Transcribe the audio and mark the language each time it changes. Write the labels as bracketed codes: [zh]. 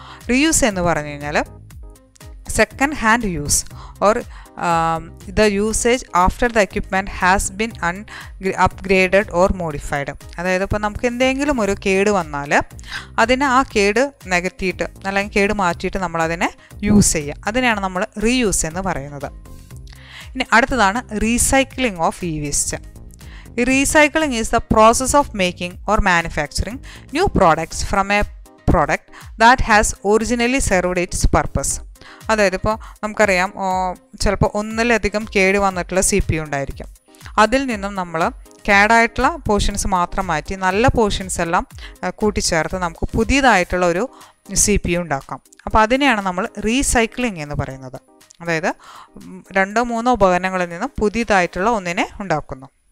[ml] Reuse എന്ന് പറഞ്ഞു കഴിഞ്ഞാൽ [en] Second hand use or the usage after the equipment has been upgraded or modified. [ml] അതായത് ഇപ്പോൾ നമുക്ക് എന്തെങ്കിലും ഒരു കേട് വന്നാൽ അതിന് ആ കേട് നികത്തിയിട്ട് അല്ലെങ്കിൽ കേട് മാറ്റിയിട്ട് നമ്മളതിനെ യൂസ് ചെയ്യുക, അതിനെയാണ് നമ്മൾ റീയൂസ് എന്ന് പറയുന്നത്. ഇനി അടുത്തതാണ് recycling of E-waste. [en] Recycling is the process of making or manufacturing new products from a product that has originally served its purpose. [ml] അതായത് ഇപ്പോൾ നമുക്കറിയാം ചിലപ്പോൾ ഒന്നിലധികം കേട് വന്നിട്ടുള്ള CPU ഉണ്ടായിരിക്കും. അതിൽ നിന്നും നമ്മൾ കേടായിട്ടുള്ള പോർഷൻസ് മാത്രം മാറ്റി നല്ല പോർഷൻസ് എല്ലാം കൂട്ടിച്ചേർത്ത് നമുക്ക് പുതിയതായിട്ടുള്ള ഒരു CPU ഉണ്ടാക്കാം. അപ്പോൾ അതിനെയാണ് നമ്മൾ റീസൈക്ലിംഗ് എന്ന് പറയുന്നത്. അതായത് 2-3 ഉപകരണങ്ങളിൽ നിന്നും പുതിയതായിട്ടുള്ള ഒന്നിനെ ഉണ്ടാക്കുന്നു.